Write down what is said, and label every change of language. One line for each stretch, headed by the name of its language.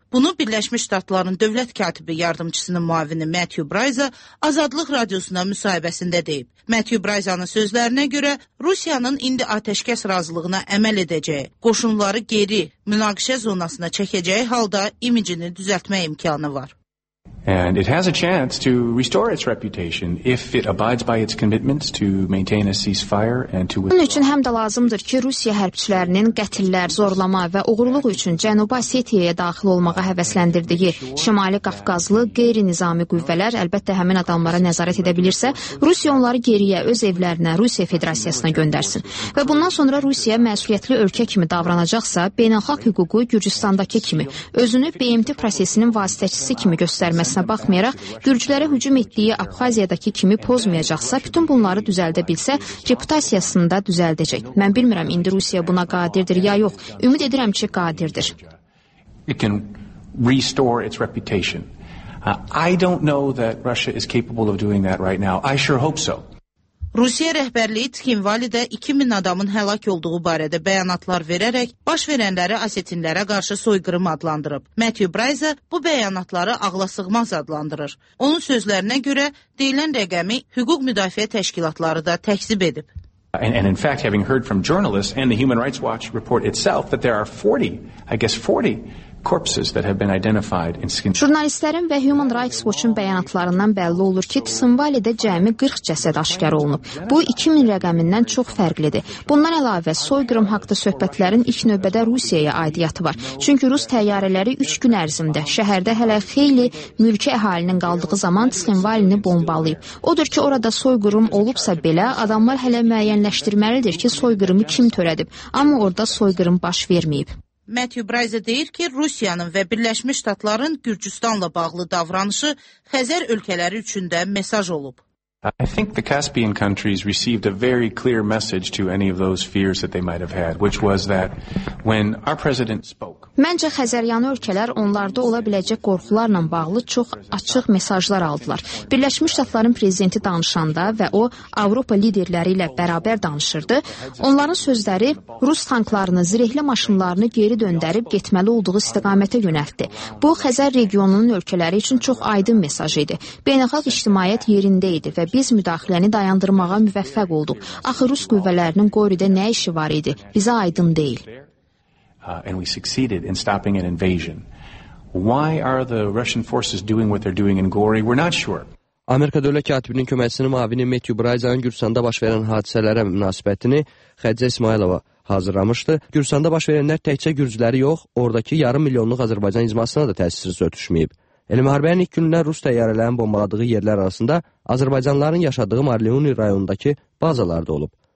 Azerbaijani: Bunu Birləşmiş Ştatların dövlət katibi yardımçısının müavini Matthew Braiza Azadlıq radiosuna müsahibəsində deyib. Matthew Braizanın sözlərinə görə, Rusiyanın indi atəşkəs razılığına əməl edəcəyi, qoşunları geri, münaqişə zonasına çəkəcəyi halda imicini düzəltmək imkanı var.
English: And it has a chance to restore its reputation if it abides by its commitments to maintain a ceasefire and to
Azerbaijani: Bunun üçün həm də lazımdır ki, Rusiya hərbçilərinin qətillər, zorlama və oğurluq üçün Cənubi Asetiyaya daxil olmağa həvəsləndirdiyi Şimali Qafqazlı qeyri-nizami qüvvələr əlbəttə həmin adamlara nəzarət edə bilirsə, Rusiya onları geriyə öz evlərinə, Rusiya Federasiyasına göndərsin. Və bundan sonra Rusiya məsuliyyətli ölkə kimi davranacaqsa, beynəlxalq hüququ Gürcüstandakı kimi özünü BMT prosesinin vasitəçisi kimi göstərməlidir. Məsələ baxmayaraq, gürcülərə hücum etdiyi Abxaziyadakı kimi pozmayacaqsa, bütün bunları düzəldə bilsə, reputasiyasını da düzəldəcək. Mən bilmirəm, indi Rusiya buna qadirdir ya yox. Ümid edirəm ki, qadirdir.
English: It can restore its reputation. I don't know that Russia is capable of doing that right now. I sure hope so.
Azerbaijani: Rusiya rəhbərliyi Txinvalidə 2000 adamın həlak olduğu barədə bəyanatlar verərək, baş verənləri asetinlərə qarşı soyqırım adlandırıb. Matthew Braiza bu bəyanatları ağla sığmaz adlandırır. Onun sözlərinə görə deyilən rəqəmi hüquq müdafiə təşkilatları da təkzib edib.
English: And in fact, having heard from journalists and the Human Rights Watch report itself that there are 40, I guess 40, corpses that have been identified in skin.
Azerbaijani: Jurnalistlərin və Human Rights Watch-un bəyanatlarından bəlli olur ki, Tsimbalidə cəmi 40 cəsəd aşkar olunub. Bu 2000 rəqəmindən çox fərqlidir. Bundan əlavə soyqırım haqqında söhbətlərin ilk növbədə Rusiyaya aidiyyatı var. Çünki rus təyyarələri 3 gün ərzində şəhərdə hələ xeyli mülki əhalinin qaldığı zaman Tsimbalini bombalayıb. Odur ki, orada soyqırım olubsa belə adamlar hələ müəyyənləşdirməlidir ki, soyqırımı kim törədib. Amma orada soyqırım baş verməyib. Matthew Braiza deyir ki, Rusiyanın və Birləşmiş Ştatların Gürcüstanla bağlı davranışı Xəzər ölkələri üçün də mesaj olub.
English: I think the Caspian countries received a very clear message to any of those fears that they might have had, which was that when our president spoke.
Azerbaijani: Məncə Xəzəryanı ölkələr onlarda ola biləcək qorxularla bağlı çox açıq mesajlar aldılar. Birləşmiş Ştatların prezidenti danışanda və o Avropa liderləri ilə bərabər danışırdı. Onların sözləri Rus tanklarını, zirehli maşınlarını geri döndərib getməli olduğu istiqamətə yönəltdi. Bu Xəzər regionunun ölkələri üçün çox aydın mesaj idi. Beynəlxalq ictimaiyyət yerində idi və biz müdaxiləni dayandırmağa müvəffəq olduq. Axı Rus qüvvələrinin Qoridə nə işi var idi? Bizə aydın deyil.
English: And we succeeded in stopping an invasion. Why are the Russian forces doing what they're doing in Gori? We're not sure.
Azerbaijani: Amerika Dövlət Katibinin köməkçisinin müavini Matthew Braizan Gürcüstanda baş verən hadisələrə münasibətini Xədicə İsmayılova hazırlamışdı. Gürcüstanda baş verənlər təkcə gürcüləri yox, oradakı yarım milyonluq Azərbaycan icmasına da təsirsiz ötüşməyib. Elə müharibənin ilk günlər Rus təyyarələrinin bombaladığı yerlər arasında Azərbaycanlıların yaşadığı Marliuni rayonundakı bazalar da olub.